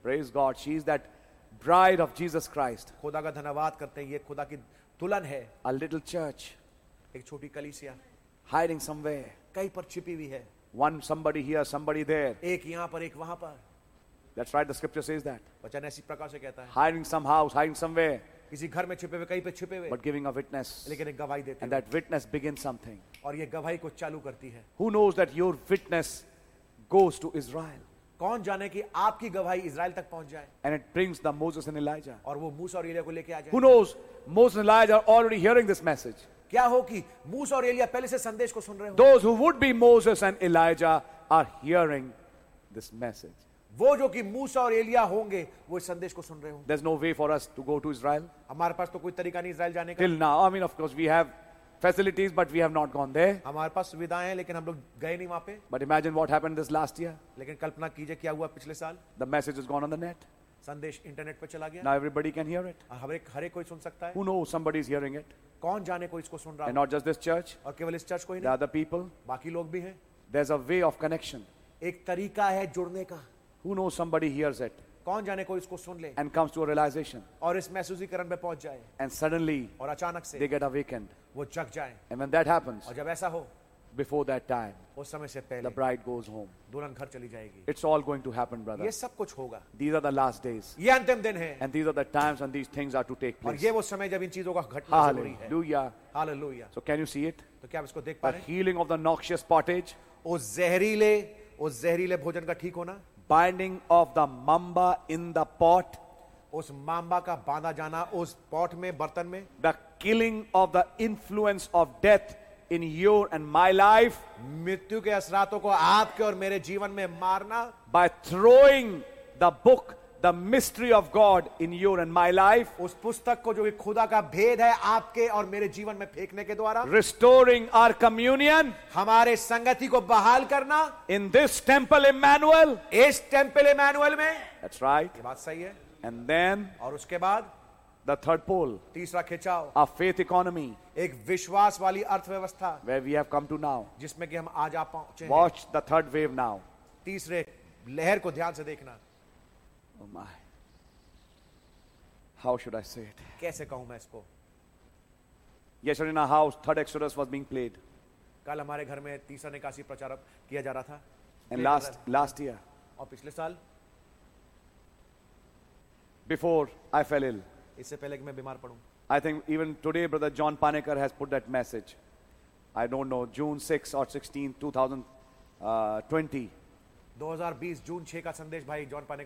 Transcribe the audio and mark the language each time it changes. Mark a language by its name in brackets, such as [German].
[English] Praise God, she is that bride of Jesus Christ. [Hindi] खुदा का धन्यवाद करते हैं ये खुदा की दुल्हन है. [English] A little church. [Hindi] एक छोटी कलीसिया. [English] Hiding somewhere. [Hindi] कहीं पर छिपी हुई है. [English] One somebody here, somebody there. [Hindi] एक यहाँ पर एक वहाँ पर. [English] That's right, the scripture says that. [Hindi] वचन ऐसी प्रकार से कहता है. [English] Hiding some house, hiding somewhere. [Hindi] किसी घर में छिपे हुए कहीं पे छिपे हुए. [English] But giving a witness. [Hindi] लेकिन एक गवाही देते हैं. [English] And that witness begins something. [Hindi] और ये गवाही को चालू करती है. [English] Who knows that your witness goes to Israel? [Hindi] कौन जाने कि आपकी गवाही इज़राइल तक पहुंच जाए. [English] And it brings the Moses and Elijah. [Hindi] और वो मूसा और एलिय्याह को लेके आ जाए. [English] Who knows Moses and Elijah are already hearing this message? [Hindi] क्या हो कि मूसा और एलिय्याह पहले से संदेश को सुन रहे हो? [English] Those who would be Moses and Elijah are hearing this message. [Hindi] वो जो कि मूसा और एलिय्याह होंगे वो इस संदेश को सुन रहे होंगे. [English] There's no way for us to go to Israel. [Hindi] हमारे पास तो कोई तरीका नहीं इज़राइल जाने का. [English] Till now, I mean, of course, we have facilities, but we have not gone there. [Hindi] हमारे पास सुविधाएं हैं, लेकिन हम लोग गए नहीं वहाँ पे. [English] But imagine what happened this last year. [Hindi] लेकिन कल्पना कीजिए क्या हुआ पिछले साल. [English] The message has gone on the net. [Hindi] संदेश इंटरनेट पर चला गया. [English] Now everybody can hear it. [Hindi] हर एक कोई सुन सकता है. [English] Who knows, somebody is hearing it. [Hindi] कौन जाने को इसको सुन रहा है. [English] Not just this church. [Hindi] और केवल इस चर्च को ही नहीं. [English] The other people. [Hindi] बाकी लोग भी हैं. [English] There's a way of connection. [Hindi] एक तरीका है जुड़ने का. [English] Who knows, somebody hears it. [Hindi] कौन जाने को इसको सुन ले. [English] And comes to a realization. [Hindi] और इस महसूसीकरण पे पहुंच जाए. [English] And suddenly. [Hindi] और अचानक से. [English] They get awakened. [Hindi] वो जग जाए. [English] And when that happens. [Hindi] और जब ऐसा हो. [English] Before that time. [Hindi] उस समय से पहले. [English] The bride goes home. [Hindi] दुल्हन घर चली जाएगी. [English] It's all going to happen, brother. [Hindi] ये सब कुछ होगा. [English] These are the last days. [Hindi] ये अंतिम दिन है. [English] And these are the times when these things are to take place. [Hindi] और ये वो समय जब इन चीजों का घटना जरूरी है. [English] Hallelujah. Hallelujah. So can you see it? [Hindi] तो क्या आप इसको देख पा रहे हैं? [English] The healing of the noxious pottage. [Hindi] उस जहरीले भोजन का ठीक होना. [English] Binding of the mamba in the pot. [Hindi] उस मांबा का बांधा जाना उस पॉट में बर्तन में. [English] The killing of the influence of death in your and my life. [Hindi] मृत्यु के असरातों को आपके और मेरे जीवन में मारना. [English] By throwing the book, the mystery of God in your and my life. [Hindi] उस पुस्तक को जो कि खुदा का भेद है आपके और मेरे जीवन में फेंकने के द्वारा. [English] Restoring our communion. [Hindi] हमारे संगति को बहाल करना. [English] In this temple, Emmanuel. [Hindi] इस temple, Emmanuel में. [English] That's right. [Hindi] ये बात सही है. [English] And then, [Hindi] और उसके बाद, [English] the third pole, [Hindi] तीसरा खिंचाव, [English] a faith economy, [Hindi] एक विश्वास वाली अर्थव्यवस्था, [English] where we have come to now, [Hindi] जिसमें कि हम आज आप पहुंचे, [English] watch the third wave now, [Hindi] तीसरे लहर को ध्यान से देखना, [English] oh my, how should I say it? [Hindi] कैसे कहूं मैं इसको? [English] Yesterday in our house, third Exodus was being played. [Hindi] कल हमारे घर में तीसरा निकासी प्रचार किया जा रहा था. [English] And last year, [Hindi] और पिछले साल. [English] Before I fell ill. [Hindi] इससे पहले कि मैं बीमार पड़ूं. [English] I think even today, brother John Panekar has put that message. I don't know, June 6 or 16, 2020. [Hindi] 2020 June 6 का संदेश भाई John Panekar.